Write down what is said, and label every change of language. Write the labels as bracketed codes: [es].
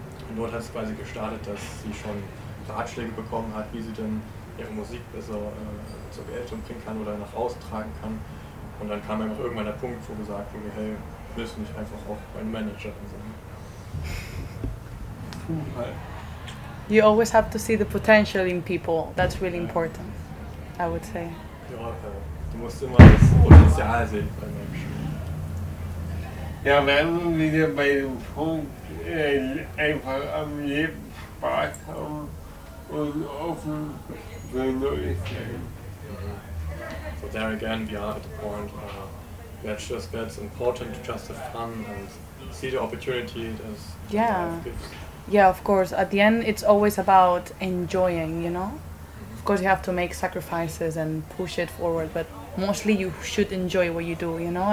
[de] Und dort hat es quasi gestartet, dass sie schon Ratschläge bekommen hat, wie sie denn ihre Musik besser zur Geltung bringen kann oder nach außen tragen kann. Und dann kam einfach irgendwann der Punkt, wo gesagt wurde, hey, willst du nicht einfach auch meine Managerin sein? [en] Cool. You always have to see the potential in people. That's really important, I would say. [de] Du musst immer das Potenzial sehen bei Menschen. Ja, wir haben wieder bei dem Punkt einfach am Leben Spaß haben und offen für Neues sein. [en] So there again, we are at the point that's important to just have fun and see the opportunity that life gives. Yeah, of course. At the end, it's always about enjoying, you know? Of course, you have to make sacrifices and push it forward, but mostly you should enjoy what you do, you know?